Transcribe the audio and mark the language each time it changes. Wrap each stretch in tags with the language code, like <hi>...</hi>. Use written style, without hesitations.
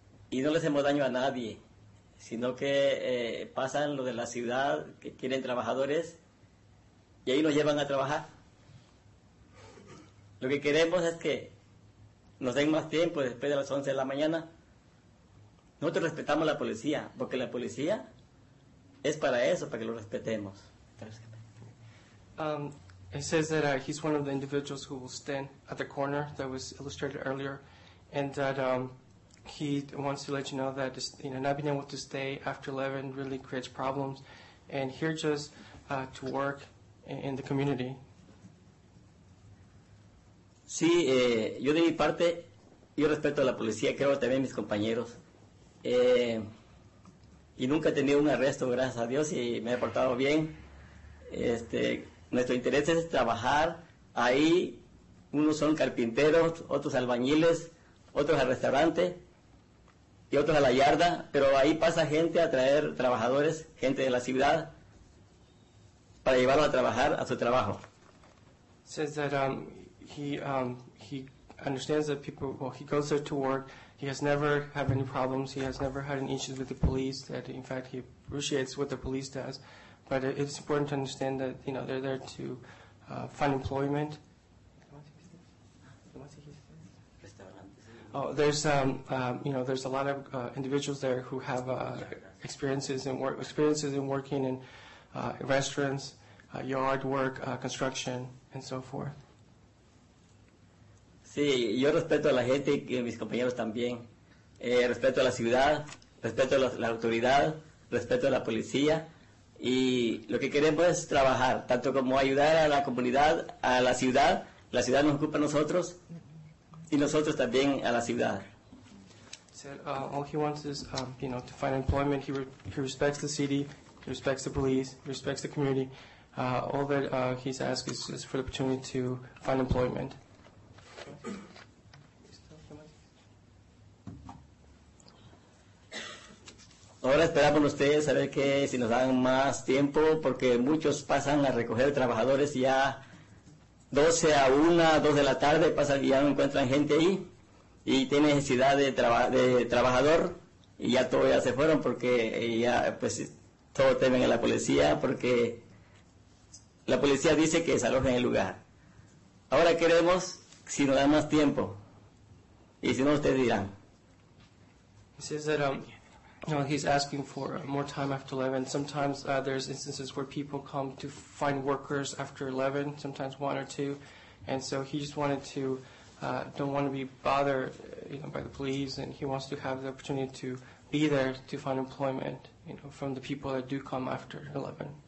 <es>Y no le hacemos daño a nadie, sino que pasan lo de la ciudad, que quieren trabajadores, y ahí nos llevan a trabajar. Lo que queremos es que nos den más tiempo después de las 11 de la mañana. Nosotros respetamos a la policía, porque la policía es para eso, para que lo respetemos.</es> <en>It says that he's one of the individuals who will stand at the corner that was illustrated earlier, and that he wants to let you know that, you know, not being able to stay after 11 really creates problems, and here just to work in the community.</en> <es>Sí, yo de mi parte, yo respeto a la policía, creo también mis compañeros, y nunca he tenido un arresto, gracias a Dios, y me he portado bien, este... Nuestro interés es trabajar ahí. Unos son carpinteros, otros albañiles, otros al restaurante y otros a la yarda. Pero ahí pasa gente a traer trabajadores, gente de la ciudad, para llevarlos a trabajar a su trabajo.</es> <en>Says that he understands that people, well, he goes there to work. He has never had any problems. He has never had any issues with the police. That in fact he appreciates what the police does. But it's important to understand that, you know, they're there to find employment. Oh, there's, you know, there's a lot of individuals there who have experiences in working in restaurants, yard work, construction, and so forth.</en> <es>Sí, yo respeto a la gente y mis compañeros también. Respeto a la ciudad, respeto a la autoridad, respeto a la policía. Y lo que queremos es trabajar, tanto como ayudar a la comunidad, a la ciudad nos ocupa a nosotros, y nosotros también a la ciudad.</es> <en>Said, all he wants is, you know, to find employment. He respects the city, he respects the police, he respects the community. All that he's asked is for the opportunity to find employment.</en> <es>Ahora esperamos ustedes a ver que si nos dan más tiempo, porque muchos pasan a recoger trabajadores ya 12 a 1, 2 de la tarde, pasan y ya no encuentran gente ahí, y tienen necesidad de trabajador, y ya todos ya se fueron, porque ya pues todos temen a la policía, porque La policía dice que desalojen el lugar. Ahora queremos, si nos da más tiempo, y si no, ustedes dirán.</es> <en>He says that you know, he's asking for more time after 11. Sometimes there's instances where people come to find workers after 11, sometimes one or two. And so he just wanted to, don't want to be bothered, you know, by the police, and he wants to have the opportunity to be there to find employment, you know, from the people that do come after 11.</en>